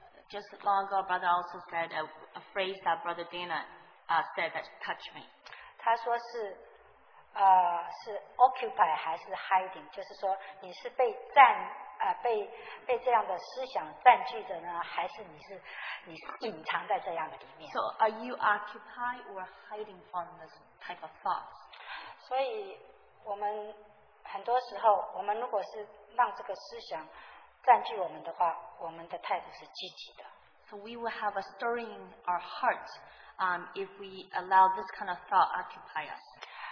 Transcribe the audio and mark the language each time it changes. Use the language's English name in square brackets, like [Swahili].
[English] Just long ago, brother also said a phrase that brother Dana said that touched me. [Chinese] 他说是 occupy 还是 hiding? 就是说你是被这样的思想占据着呢，还是你隐藏在这样的里面？ [English] So are you occupied or hiding from this type of thoughts? [Chinese] 所以我们很多时候，我们如果是让这个思想占据我们的话，我们的态度是积极的。 [English] So we will have a stirring in our hearts, if we allow this kind of thought occupy us.